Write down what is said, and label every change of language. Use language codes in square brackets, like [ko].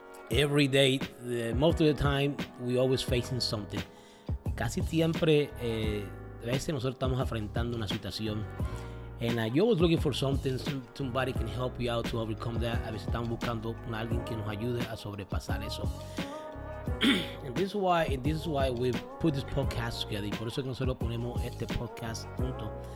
[en] Every day, most of the time, we always facing something. [es] Casi siempre, a veces nosotros estamos afrontando una situación. [en] And you're always looking for something, somebody can help you out to overcome that. [es] A veces estamos buscando a alguien que nos ayude a sobrepasar eso. [en] And this is why we put this podcast together. [es] Y por eso que nosotros ponemos este podcast junto.